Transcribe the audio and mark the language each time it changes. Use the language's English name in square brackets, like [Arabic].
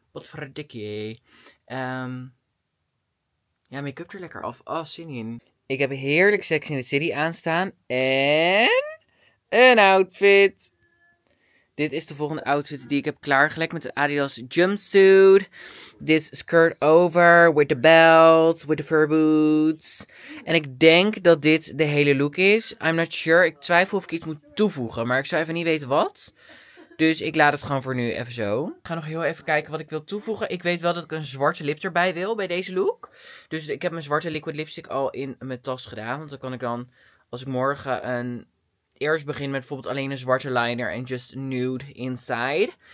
[Dutch] Wat voor een dikkie. Ja, make-up er lekker af. Oh, zin in. Ik heb heerlijk Sex in the City aanstaan. En een outfit. Dit is de volgende outfit die ik heb klaargelegd met de Adidas jumpsuit. [English] This skirt over with the belt, with the fur boots. [Dutch] En ik denk dat dit de hele look is. [English] I'm not sure. [Dutch] Ik twijfel of ik iets moet toevoegen, maar ik zou even niet weten wat. Dus ik laat het gewoon voor nu even zo. Ik ga nog heel even kijken wat ik wil toevoegen. Ik weet wel dat ik een zwarte lip erbij wil bij deze look. Dus ik heb mijn zwarte liquid lipstick al in mijn tas gedaan. Want dan kan ik dan, als ik morgen eerst begin met bijvoorbeeld alleen een zwarte liner en [English] just nude inside.